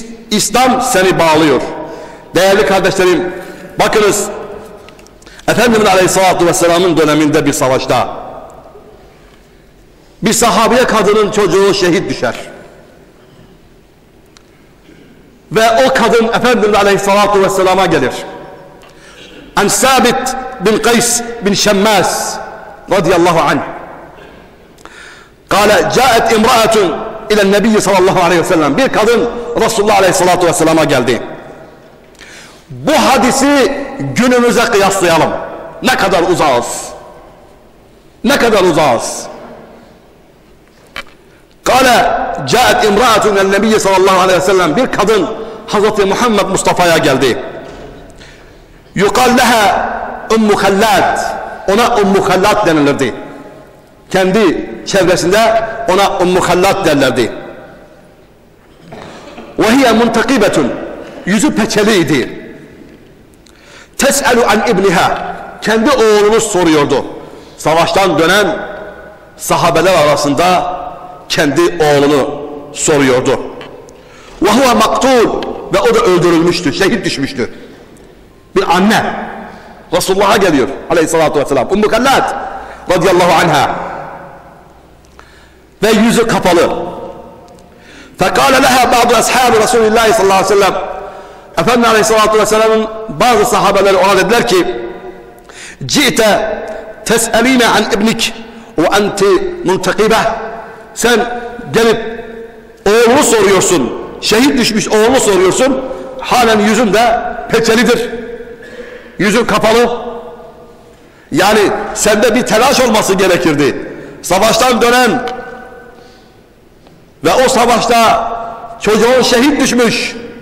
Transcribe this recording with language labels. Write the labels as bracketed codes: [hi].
[tr] İslam seni bağlıyor. Değerli kardeşlerim, bakınız. Efendimiz Aleyhisselatü Vesselam'ın döneminde bir savaşta bir sahabiye kadının çocuğu şehit düşer. Ve o kadın Efendimiz Aleyhisselatü Vesselam'a gelir. [ar] En Sabit bin Kays bin Şemmas radıyallahu anh قال جاءت امرأة الى النبي صلى الله عليه وسلم. [tr] Bir kadın Resulullah Aleyhissalatu Vesselam'a geldi. Bu hadisi günümüze kıyaslayalım. Ne kadar uzağız? Ne kadar uzağız? [ar] قال جاءت امرأة الى النبي صلى الله عليه وسلم. [tr] Bir kadın Hazreti Muhammed Mustafa'ya geldi. [ar] يقال لها ام خلات. [tr] Ona ام خلات denilirdi. Kendi çevresinde ona Ummu Hallat derlerdi. [ar] Ve hiye muntakibetun, [tr] yüzü peçeliydi. [ar] Tes'elu an ibniha, [tr] kendi oğlunu soruyordu. Savaştan dönen sahabeler arasında kendi oğlunu soruyordu. [ar] Ve huve maktul, [tr] ve o da öldürülmüştü, şehit düşmüştü. Bir anne Resulullah'a geliyor Aleyhissalatu Vesselam. Ummu Hallat radiyallahu anha. Ve yüzü kapalı. [ar] فَقَالَ لَهَا بَعْضُ أَسْحَابِ رَسُولِ اللّٰهِ صَلَّى اللّٰهِ سَلَّمْ [tr] Efendimiz Aleyhisselatü Vesselam'ın bazı sahabeleri ona dediler ki [ar] جِئْتَ تَسْأَلِينَ عَنْ اِبْنِكِ وَاَنْتِ مُنْتَقِبَةِ [tr] Sen gelip oğlunu soruyorsun. Şehit düşmüş oğlunu soruyorsun. Halen yüzün de peçelidir. Yüzün kapalı. Yani sende bir telaş olması gerekirdi. Savaştan dönen ve o savaşta çocuğun şehit düşmüş.